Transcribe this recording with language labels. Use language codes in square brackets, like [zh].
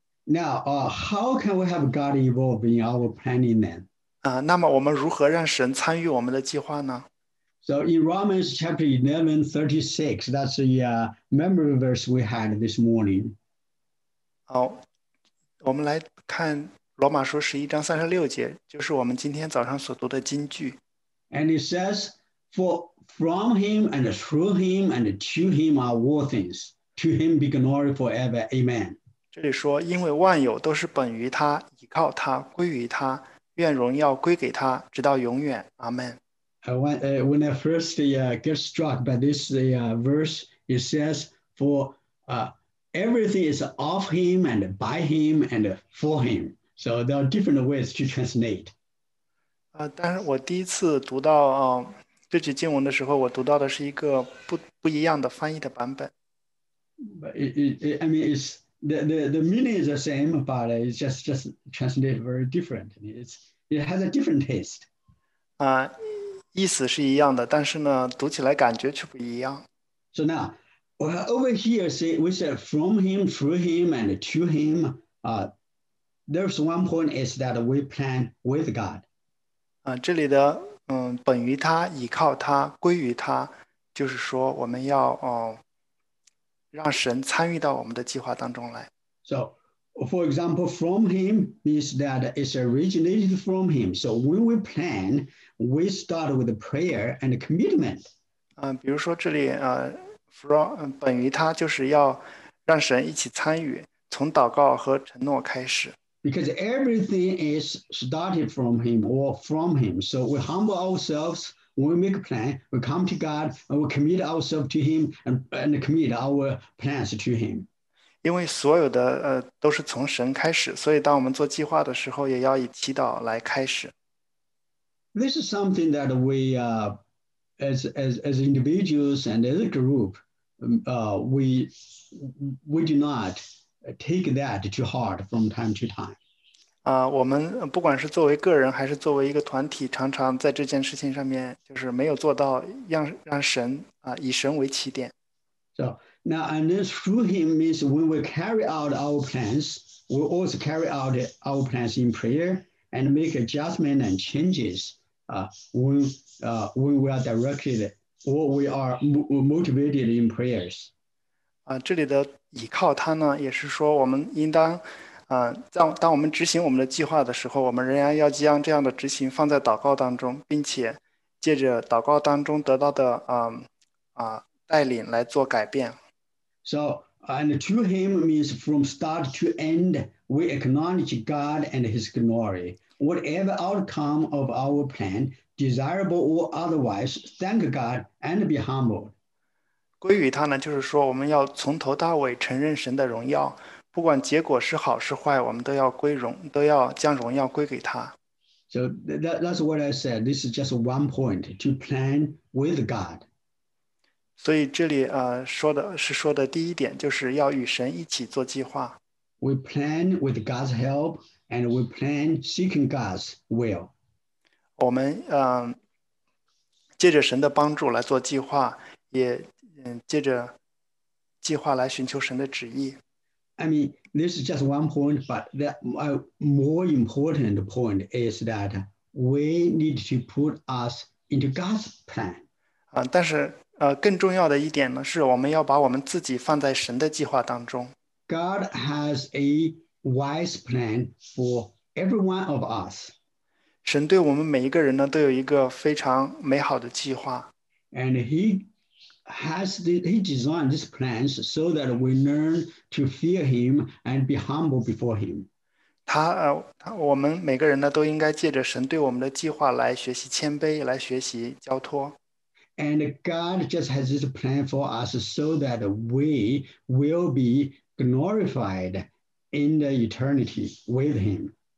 [en] Now, how can we have God involved in our planning then? [zh] 那么我们如何让神参与我们的计划呢？ [en] So in Romans chapter 11, 36, that's the memory verse we had this morning. [zh] 好，我们来看罗马书11章36节，就是我们今天早上所读的经句。 [en] And it says, For from him and through him and to him are all things. To him be glory forever. Amen. [zh] 这里说，因为万有都是本于他，依靠他，归于他。愿荣耀归给他，直到永远。阿门。 [en] When I first get struck by this verse, it says, For everything is of him and by him and for him. So there are different ways to translate. [zh] 但是我第一次读到这句经文的时候，我读到的是一个不一样的翻译的版本。 [en] But I mean, it's the meaning is the same, but it's just translated very different. It has a different taste. [zh] 意思是一样的，但是呢，读起来感觉却不一样。 [en] So now, over here, we said from him, through him, and to him. There's one point is that we plan with God. [zh] 这里的本于他，依靠他，归于他，就是说我们要让神参与到我们的计划当中来。 [en] So, for example, from him means that it's originated from him. So when we plan, we start with a prayer and a commitment. [zh] 比如说这里from 本于他，就是要让神一起参与，从祷告和承诺开始。 [en] Because everything is started from him or from him. So we humble ourselves, we make a plan, we come to God, and we commit ourselves to him and commit our plans to him. [zh] 因为所有的都是从神开始，所以当我们做计划的时候，也要以祈祷来开始。 [en] This is something that we as individuals and as a group we do not take that to heart from time to time. [zh] 我们不管是作为个人，还是作为一个团体，常常在这件事情上面，就是没有做到让神以神为起点。 [en] So now and then through him means when we carry out our plans, we also carry out our plans in prayer and make adjustment and changes. When we are directed or we are motivated in prayers. [zh] 这里的依靠他呢，也是说我们应当，当我们执行我们的计划的时候，我们仍然要将这样的执行放在祷告当中，并且借着祷告当中得到的带领来做改变。 [en] So, and to him means from start to end, we acknowledge God and his glory. Whatever outcome of our plan, desirable or otherwise, thank God and be humbled. [zh] 归于他呢，就是说我们要从头到尾承认神的荣耀，不管结果是好是坏，我们都要归荣，都要将荣耀归给他。 [en] So that's what I said. This is just one point to plan with God. [zh] 所以这里说的第一点，就是要与神一起做计划。 [en] We plan with God's help. And we plan seeking God's will. [zh] 我们借着神的帮助来做计划，也借着计划来寻求神的旨意。 [en] I mean, this is just one point, but the more important point is that we need to put us into God's plan. [zh] 但是更重要的一点呢，是我们要把我们自己放在神的计划当中。 [en] God has a wise plan for every one of us. [zh] 神对我们每一个人呢，都有一个非常美好的计划。 [en] And he designed these plans so that we learn to fear him and be humble before him. [zh] 我们每个人呢，都应该借着神对我们的计划来学习谦卑，来学习交托。 [en] And God just has this plan for us so that we will be glorified in the eternity with him.